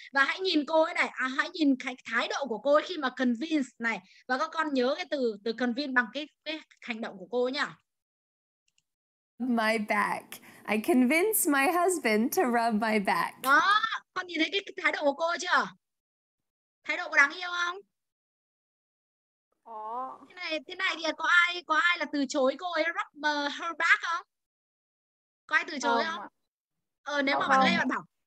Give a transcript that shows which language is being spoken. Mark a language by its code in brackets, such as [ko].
[vi] Và hãy nhìn cô ấy này, hãy nhìn cái thái độ của cô ấy khi mà convince này, và các con nhớ cái từ convince bằng cái hành động của cô ấy nhá. [en] My back. I convince my husband to rub my back. [vi] Đó, con nhìn thấy cái thái độ của cô ấy chưa? Thái độ có đáng yêu không? Có. Thế này thì có ai là từ chối cô ấy [en] rub her back [vi] không? Có ai từ chối không? Nếu mà bạn Lê bạn bảo